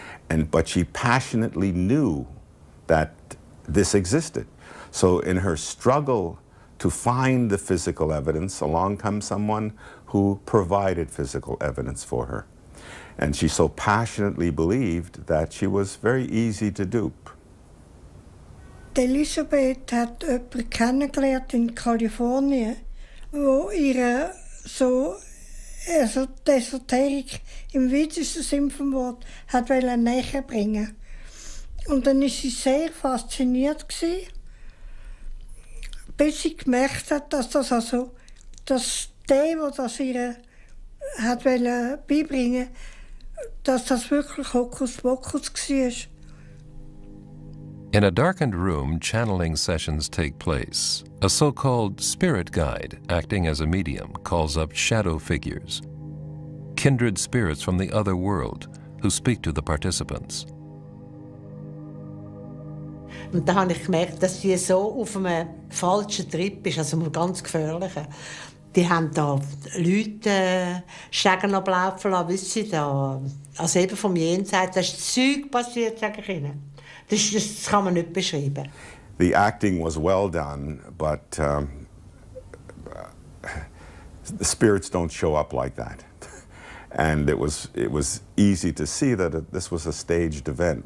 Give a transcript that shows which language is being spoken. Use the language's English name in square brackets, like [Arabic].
[English] But she passionately knew that this existed. So in her struggle to find the physical evidence, along comes someone who provided physical evidence for her. And she so passionately believed that she was very easy to dupe. [German] Elisabeth hat jemanden kennengelernt in Kalifornien, wo ihr so Esoterik im weitesten Sinn vom Wort hat wollen näher bringen. Und dann war sie sehr fasziniert gewesen, bis sie gemerkt hat, dass das also, dass der, der das ihr hat wollen beibringen, dass das wirklich Hokuspokus war. [English] In a darkened room, channeling sessions take place. A so-called spirit guide, acting as a medium, calls up shadow figures, kindred spirits from the other world, who speak to the participants. [German] Und da habe ich gemerkt, dass sie so auf einem falschen Trip ist, also einem ganz gefährlichen. Die haben da Leute Schägen ablaufen lassen, wissen Sie, da, also eben vom Jenseits, da ist Zeug passiert, sage ich Ihnen. Das kann man nicht beschreiben. [English] The acting was well done, but the spirits don't show up like that. And it was easy to see that this was a staged event.